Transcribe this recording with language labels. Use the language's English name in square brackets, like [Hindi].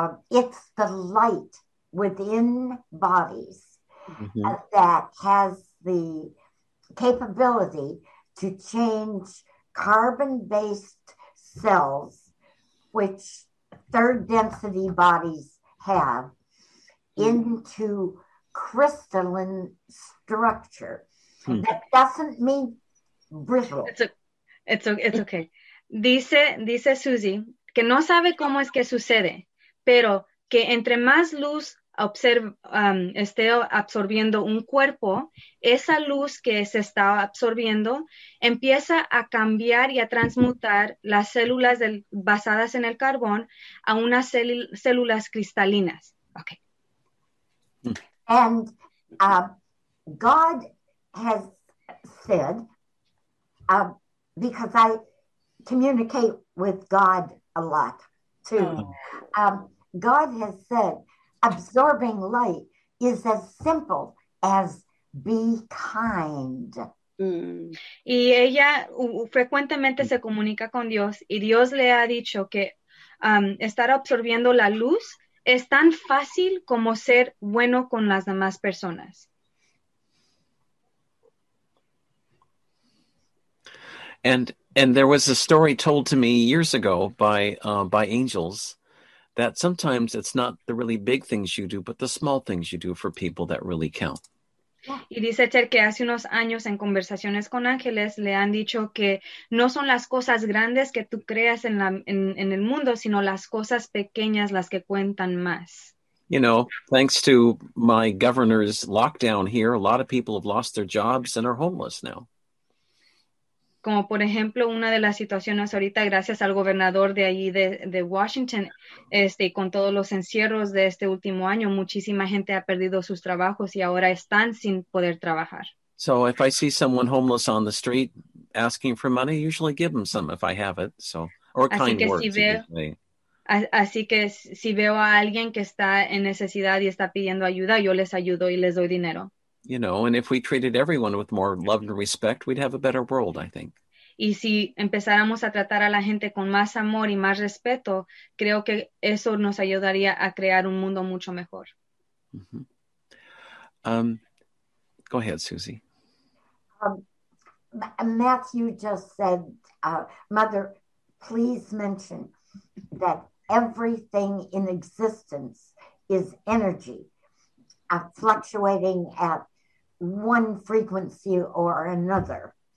[English] it's the light within bodies that has the capability to change carbon-based cells, which third density bodies have, into crystalline structure. That doesn't mean brittle. It's okay. [Spanish] Dice Susie que no sabe cómo es que sucede, pero que entre más luz esté absorbiendo un cuerpo, esa luz que se está absorbiendo empieza a cambiar y a transmutar las células basadas en el carbón a unas células cristalinas. [English] Okay. And God has said, because I communicate with God a lot too, God has said, absorbing light is as simple as be kind. [Spanish] Y ella frecuentemente se comunica con Dios y Dios le ha dicho que estar absorbiendo la luz es tan fácil como ser bueno con las demás personas. [English] And there was a story told to me years ago by angels, that sometimes it's not the really big things you do, but the small things you do for people that really count. [Spanish] Y dice Ter que hace unos años en conversaciones con ángeles le han dicho que no son las cosas grandes que tú creas en el mundo, sino las cosas pequeñas las que cuentan más. [English] You know, thanks to my governor's lockdown here, a lot of people have lost their jobs and are homeless now. [Spanish] Como por ejemplo, una de las situaciones ahorita, gracias al gobernador de allí de Washington, y con todos los encierros de este último año, muchísima gente ha perdido sus trabajos y ahora están sin poder trabajar. [English] So if I see someone homeless on the street asking for money, usually give them some if I have it, so, or kind words. [Spanish] Así que si veo a alguien que está en necesidad y está pidiendo ayuda, yo les ayudo y les doy dinero. [English] You know, and if we treated everyone with more love and respect, we'd have a better world, I think. [Spanish] Y si empezáramos a tratar a la gente con más amor y más respeto, creo que eso nos ayudaría a crear un mundo mucho mejor. [English] Mm-hmm. Go ahead, Susie. Matthew just said, Mother, please mention that everything in existence is energy, fluctuating at one frequency or another.